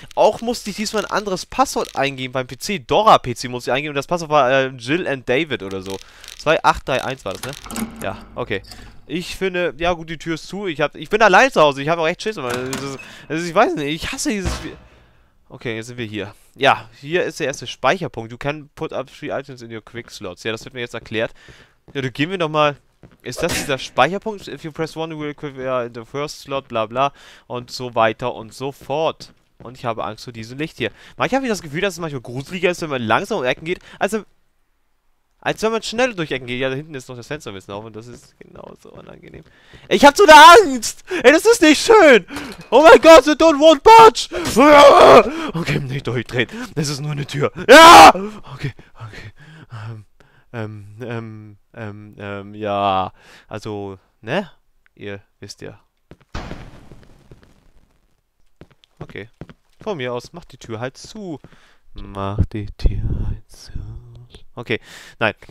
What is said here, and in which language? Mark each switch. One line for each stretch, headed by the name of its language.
German: Auch musste ich diesmal ein anderes Passwort eingeben beim PC. Dora PC musste ich eingeben und das Passwort war Jill and David oder so. 2831 war das, ne? Ja, okay. Ich finde, ja gut, die Tür ist zu. Ich bin allein zu Hause. Ich habe auch echt Schiss. Ich weiß nicht, ich hasse dieses Spiel. Okay, jetzt sind wir hier. Ja, hier ist der erste Speicherpunkt.
English: You can put up three items in your quick slots.
German: Ja, das wird mir jetzt erklärt. Ja, du gehen wir nochmal. Ist das dieser Speicherpunkt?
English: If you press one, you will equip in the first slot, bla bla.
German: Und so weiter und so fort. Und ich habe Angst vor diesem Licht hier. Manchmal habe ich das Gefühl, dass es manchmal gruseliger ist, wenn man langsam um Ecken geht. Als wenn man schnell durch Ecken geht. Ja, da hinten ist noch das Fenster ein bisschen auf und das ist genauso unangenehm. Ich hab so eine Angst! Ey, das ist nicht schön! Oh mein Gott,
English: I don't want much!
German: Okay, nicht durchdrehen. Das ist nur eine Tür. Ja! Okay. Ja. Also, ne? Ihr wisst ja. Okay. Von mir aus, mach die Tür halt zu. Mach die Tür halt zu. Okay, nein.